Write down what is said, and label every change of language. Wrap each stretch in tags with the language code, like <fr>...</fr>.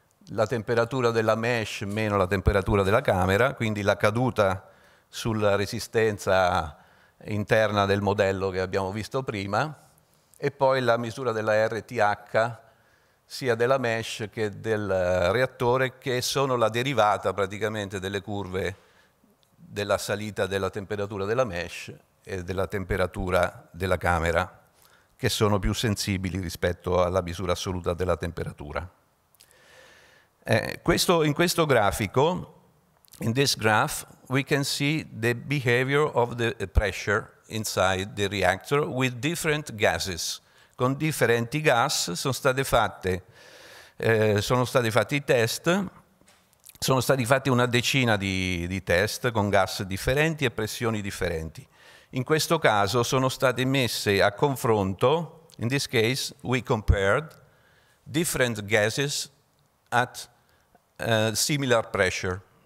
<it>La temperatura della mesh meno la temperatura della camera, quindi la caduta sulla resistenza interna del modello che abbiamo visto prima e poi la misura della RTH sia della mesh che del reattore che sono la derivata praticamente delle curve della salita della temperatura della mesh e della temperatura della camera che sono più sensibili rispetto alla misura assoluta della temperatura. In questo grafico,</it> <en>in this graph, we can see the behavior of the pressure inside the reactor with different gases.</en> <it>Con differenti gas sono stati fatti i test, sono stati fatti una decina di test con gas differenti e pressioni differenti. In questo caso sono state messe a confronto,</it> <en>in this case we compared different gases at similar pressure.</en>